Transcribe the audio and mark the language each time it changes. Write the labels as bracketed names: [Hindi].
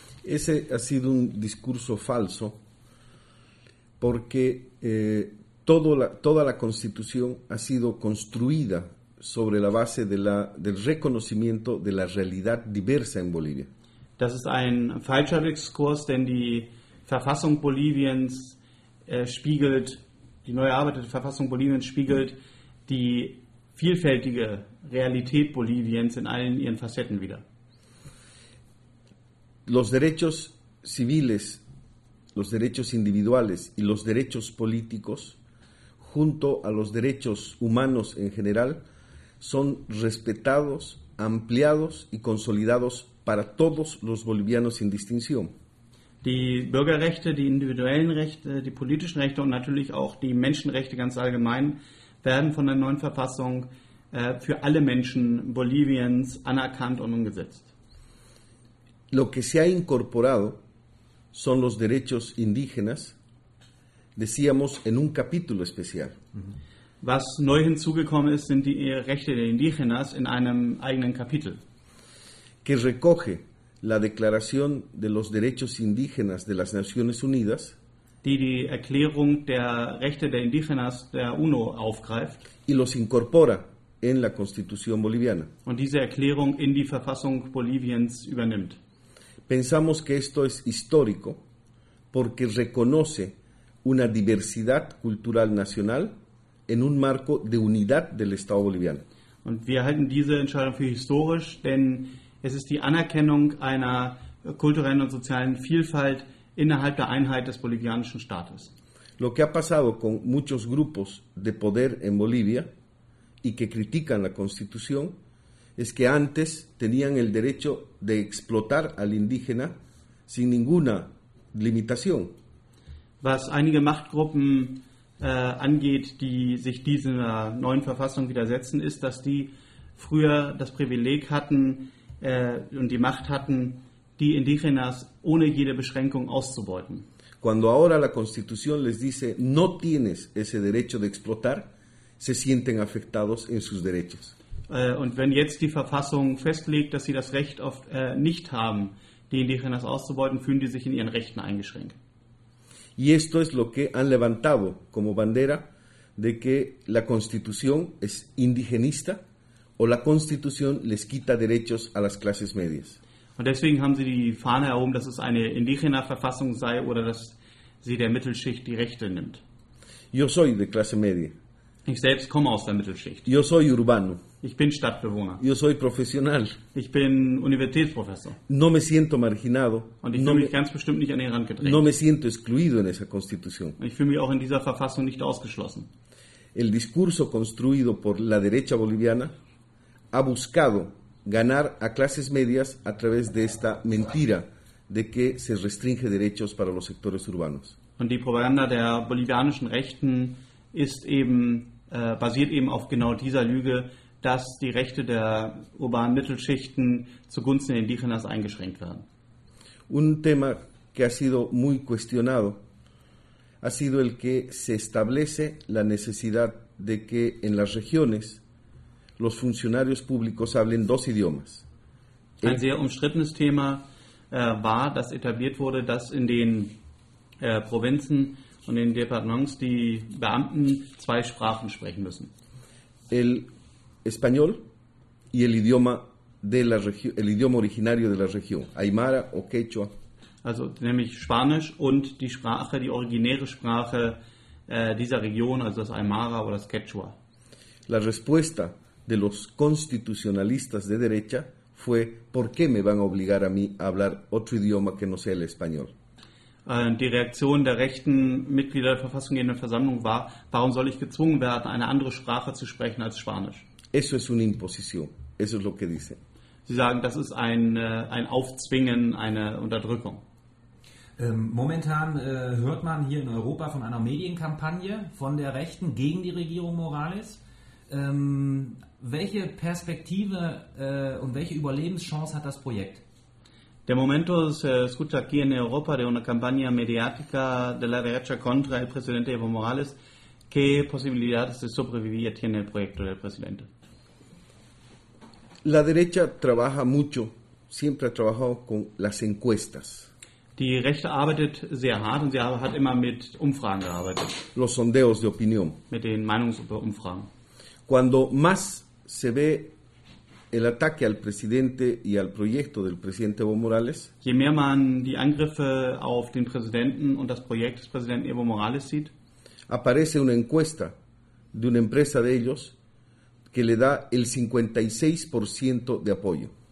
[Spanish] Ese ha sido un discurso falso porque toda la constitución ha sido construida sobre la base del reconocimiento de la realidad diversa en Bolivia. [German] Das ist ein falscher Diskurs, denn die Verfassung Boliviens spiegelt, die neu erarbeitete Verfassung Boliviens spiegelt die vielfältige Realität Boliviens in allen ihren Facetten wider. [Spanish] Los derechos civiles, los derechos individuales y los derechos políticos, junto a los derechos humanos en general, son respetados, ampliados y consolidados para todos los bolivianos sin distinción. [German] Die Bürgerrechte, die individuellen Rechte, die politischen Rechte und natürlich auch die Menschenrechte ganz allgemein werden von der neuen Verfassung für alle Menschen Boliviens anerkannt und umgesetzt. [Spanish] Lo que se ha incorporado son los derechos indígenas, decíamos en un capítulo especial. [German] Was neu hinzugekommen ist, sind die Rechte der Indígenas in einem eigenen Kapitel. [Spanish] Que recoge la declaración de los derechos indígenas de las Naciones Unidas. [German] Die Erklärung der Rechte der Indígenas der UNO aufgreift. [Spanish] Y los incorpora en la Constitución Boliviana. [German] Und diese Erklärung in die Verfassung Boliviens übernimmt. [Spanish] Pensamos que esto es histórico porque reconoce una diversidad cultural nacional en un marco de unidad del Estado boliviano. [German] Und wir halten diese Entscheidung für historisch, denn es ist die Anerkennung einer kulturellen und sozialen Vielfalt innerhalb der Einheit des bolivianischen Staates. [Spanish] Lo que ha pasado con muchos grupos de poder en Bolivia y que critican la Constitución es que antes tenían el derecho de explotar al indígena sin ninguna limitación. [German] Was einige Machtgruppen angeht, die sich dieser neuen Verfassung widersetzen, ist, dass die früher das Privileg hatten und die Macht hatten, die Indígenas ohne jede Beschränkung auszubeuten. [Spanish] Cuando ahora la Constitución les dice no tienes ese derecho de explotar, se sienten afectados en sus derechos. [German] Und wenn jetzt die Verfassung festlegt, dass sie das Recht nicht haben, die Indígenas auszubeuten, fühlen die sich in ihren Rechten eingeschränkt. [Spanish] Y esto es lo que han levantado como bandera de que la Constitución es indigenista o la Constitución les quita derechos a las clases medias. [German] Und deswegen haben sie die Fahne erhoben, dass es eine indígena Verfassung sei oder dass sie der Mittelschicht die Rechte nimmt. [Spanish] Yo soy de clase media. [German] Ich selbst komme aus der Mittelschicht. [Spanish] Yo soy urbano. [German] Ich bin Stadtbewohner. [Spanish] Yo soy profesional. [German] Ich bin Universitätsprofessor. [Spanish] No me siento marginado. [German] Und ich fühle mich ganz bestimmt nicht an den Rand gedrängt. [Spanish] No me siento excluido en esa Constitución. [German] Ich fühle mich auch in dieser Verfassung nicht ausgeschlossen. [Spanish] El discurso construido por la derecha boliviana ha buscado ganar a clases medias a través de esta mentira de que se restringe derechos para los sectores urbanos. [German] Und die Propaganda der bolivianischen Rechten ist eben basiert eben auf genau dieser Lüge, dass die Rechte der urbanen Mittelschichten zugunsten der Indígenas eingeschränkt werden. [Spanish] Un tema que ha sido muy cuestionado ha sido el que se establece la necesidad de que en las regiones los funcionarios públicos hablen dos idiomas. [German] Ein sehr umstrittenes Thema war, dass etabliert wurde, dass in den Provinzen und in den Departements die Beamten zwei Sprachen sprechen müssen. [Spanish] El español y el idioma de la región, el idioma originario de la región, Aymara o Quechua. [German] Also nämlich Spanisch und die Sprache, die originäre Sprache dieser Region, also das Aymara oder das Quechua. [Spanish] La respuesta de los constitucionalistas de derecha fue: ¿por qué me van a obligar a mí a hablar otro idioma que no sea el español? [German] Die Reaktion der rechten Mitglieder der verfassungsgebenden Versammlung war: ¿Warum soll ich gezwungen werden, eine andere Sprache zu sprechen als Spanisch? [Spanish] Eso es una imposición. Eso es lo que dice. [German] Sie sagen, das ist ein Aufzwingen, eine Unterdrückung. Momentan hört man hier in Europa von einer Medienkampagne von der Rechten gegen die Regierung Morales. Welche Perspektive und welche Überlebenschance hat das Projekt? [Spanish] De momento se escucha aquí en Europa de una campaña mediática de la derecha contra el presidente Evo Morales. ¿Qué posibilidades de sobrevivir tiene el proyecto del presidente? La derecha trabaja mucho, siempre ha trabajado con las encuestas. [German] Die Rechte arbeitet sehr hart und sie hat immer mit Umfragen gearbeitet. [Spanish] Los sondeos de opinión. [German] Mit den Meinungsumfragen. [Spanish] Cuando más se ve el ataque al presidente y al proyecto del presidente Evo Morales, [German] je mehr man die Angriffe auf den Präsidenten und das Projekt des Präsidenten Evo Morales sieht, [Spanish] aparece una encuesta de una empresa de ellos que le da el 56% de apoyo.